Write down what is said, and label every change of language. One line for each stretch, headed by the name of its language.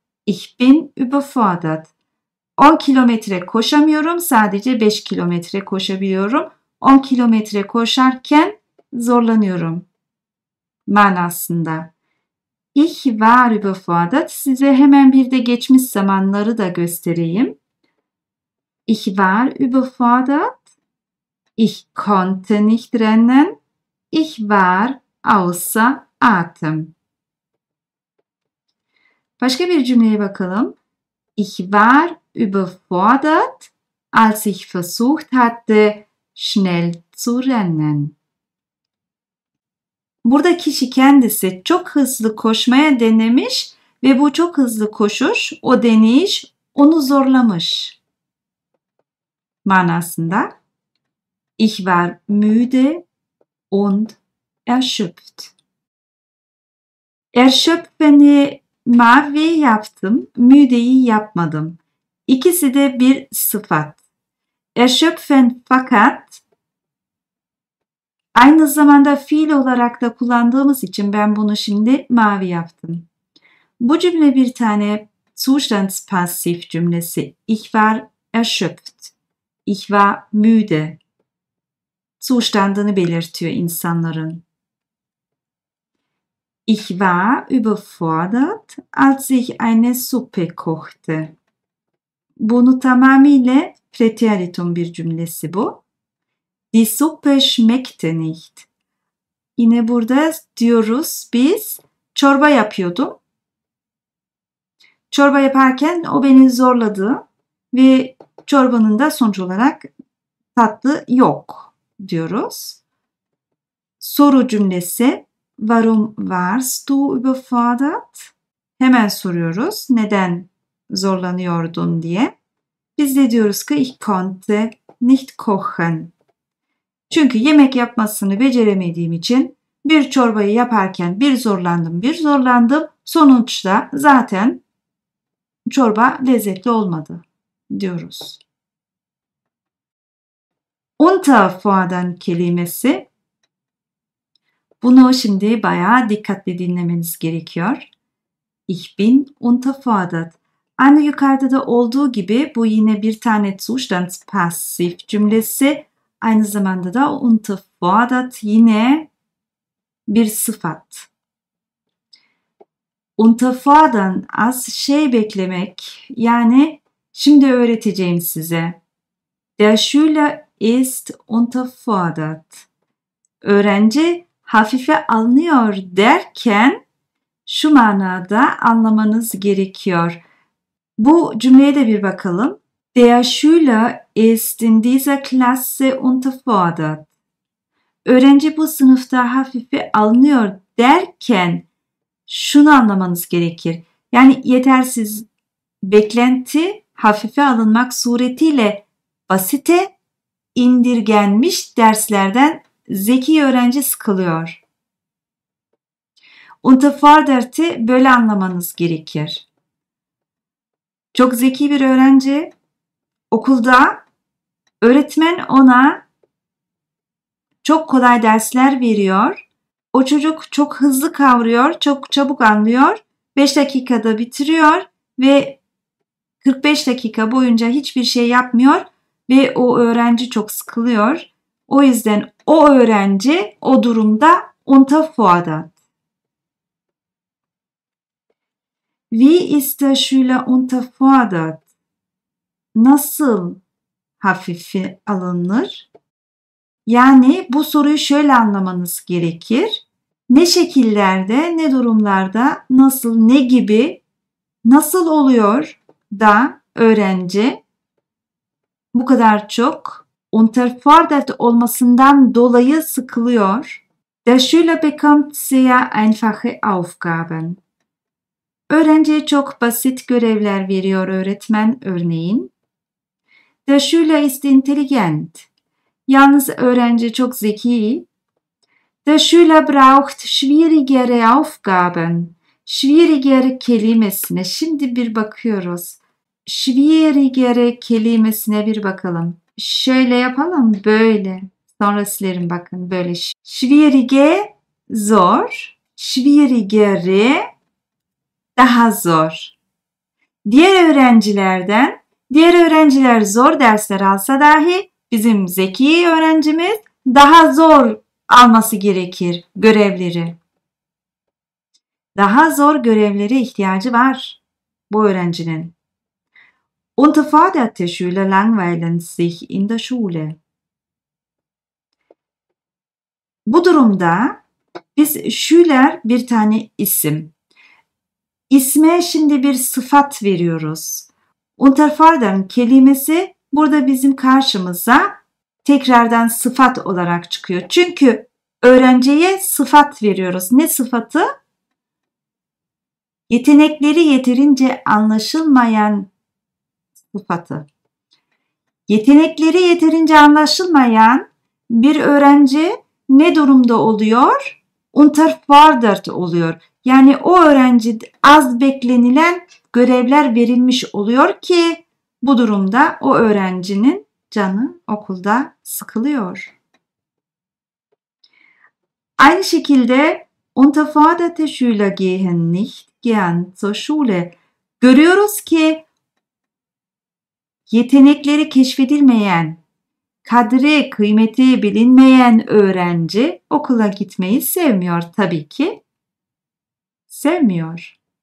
German: Ich bin überfordert.
Turkish: 10 kilometre koşamıyorum, sadece 5 kilometre koşabiliyorum. 10 kilometre koşarken zorlanıyorum manasında.
German: Ich war überfordert.
Turkish: Size hemen bir de geçmiş zamanları da göstereyim.
German: Ich war überfordert. Ich konnte nicht rennen. Ich war außer Atem.
Turkish: Başka bir cümleye bakalım.
German: Ich war überfordert, als ich versucht hatte, schnell zu rennen.
Turkish: Burada kişi kendisi çok hızlı koşmaya denemiş ve bu çok hızlı koşuş, o deneyiş onu zorlamış manasında.
German: Ich war müde und erschöpft.
Turkish: Erschöpfeni mavi yaptım, müdeyi yapmadım. İkisi de bir sıfat. Erschöpfen fakat aynı zamanda fiil olarak da kullandığımız için ben bunu şimdi mavi yaptım. Bu cümle bir tane Zustandspassiv cümlesi.
German: Ich war erschöpft. Ich war müde.
Turkish: Zustandını belirtiyor insanların.
German: Ich war überfordert, als ich eine Suppe kochte.
Turkish: Bunu tamamıyla Präteritum bir cümlesi bu.
German: Die Suppe schmeckte nicht.
Turkish: Yine burada diyoruz biz çorba yapıyordum. Çorba yaparken o beni zorladı ve çorbanın da sonuç olarak tatlı yok diyoruz. Soru cümlesi
German: Warum warst du überfordert?
Turkish: Hemen soruyoruz neden zorlanıyordun diye. Biz de diyoruz ki
German: ich konnte nicht kochen.
Turkish: Çünkü yemek yapmasını beceremediğim için bir çorbayı yaparken bir zorlandım. Sonuçta zaten çorba lezzetli olmadı. diyoruz. Unterfordern kelimesi. Bunu şimdi bayağı dikkatli dinlemeniz gerekiyor.
German: Ich bin unterfordert.
Turkish: Aynı yukarıda da olduğu gibi bu yine bir tane Zustand passiv cümlesi. Aynı zamanda da unterfordert yine bir sıfat. Unterfordern az şey beklemek. Yani şimdi öğreteceğim size.
German: Der Schüler ist unterfordert.
Turkish: Öğrenci hafife alınıyor derken şu manada anlamanız gerekiyor. Bu cümleye de bir bakalım.
German: Der Schüler ist in dieser Klasse unterfordert.
Turkish: Öğrenci bu sınıfta hafife alınıyor derken şunu anlamanız gerekir. Yani yetersiz, beklenti hafife alınmak suretiyle basite indirgenmiş derslerden zeki öğrenci sıkılıyor. Unterfordert'i böyle anlamanız gerekir. Çok zeki bir öğrenci okulda öğretmen ona çok kolay dersler veriyor. O çocuk çok hızlı kavruyor, çok çabuk anlıyor. 5 dakikada bitiriyor ve 45 dakika boyunca hiçbir şey yapmıyor ve o öğrenci çok sıkılıyor. O yüzden o öğrenci o durumda unterfordert.
German: Wie ist der Schüler unterfordert?
Turkish: Nasıl hafife alınır? Yani bu soruyu şöyle anlamanız gerekir. Ne şekillerde, ne durumlarda, nasıl, ne gibi, nasıl oluyor da öğrenci bu kadar çok unterfordert olmasından dolayı sıkılıyor?
German: Der Schüler bekommt sehr einfache Aufgaben.
Turkish: Öğrenciye çok basit görevler veriyor öğretmen örneğin.
German: Der Schüler ist intelligent.
Turkish: Yalnız öğrenci çok zeki.
German: Der Schüler braucht schwierigere Aufgaben.
Turkish: Schwierigere kelimesine şimdi bir bakıyoruz. Schwierigere kelimesine bir bakalım. Şöyle yapalım, böyle. Sonra silerim, bakın böyle. Schwierige zor. Schwierigere daha zor. Diğer öğrenciler zor dersler alsa dahi bizim zeki öğrencimiz daha zor alması gerekir görevleri. Daha zor görevlere ihtiyacı var bu öğrencinin.
German: Unterfordert Schüler langweilen sich in der Schule.
Turkish: Bu durumda biz Schüler bir tane isim. İsme şimdi bir sıfat veriyoruz. Unterfordern kelimesi burada bizim karşımıza tekrardan sıfat olarak çıkıyor. Çünkü öğrenciye sıfat veriyoruz. Ne sıfatı? Yetenekleri yeterince anlaşılmayan sıfatı. Yetenekleri yeterince anlaşılmayan bir öğrenci ne durumda oluyor? Unterfordert oluyor. Yani o öğrenci az beklenilen görevler verilmiş oluyor ki bu durumda o öğrencinin canı okulda sıkılıyor. Aynı şekilde
German: unterfordert Schüler gehen nicht gern zur Schule.
Turkish: Görüyoruz ki yetenekleri keşfedilmeyen, kadri, kıymeti bilinmeyen öğrenci okula gitmeyi sevmiyor tabii ki. Sevmiyor.